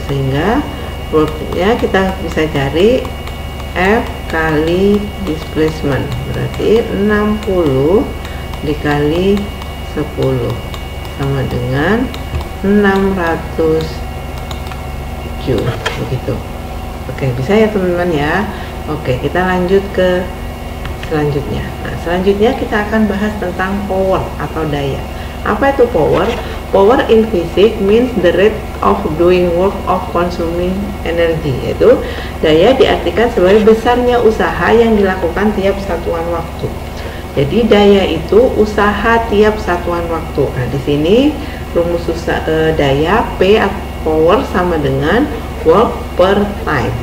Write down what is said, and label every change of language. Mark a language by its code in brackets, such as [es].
[id] Sehingga work-nya kita bisa cari F kali displacement, berarti 60 dikali 10 sama dengan 600 joule. Begitu. Oke, bisa ya teman-teman ya. Oke, kita lanjut ke selanjutnya. Nah, selanjutnya kita akan bahas tentang power atau daya. Apa itu power? [en] Power in physics means the rate of doing work of consuming energy. [id] Yaitu daya diartikan sebagai besarnya usaha yang dilakukan tiap satuan waktu. Jadi daya itu usaha tiap satuan waktu. Nah, di sini rumus daya P atau power sama dengan [en] work per time.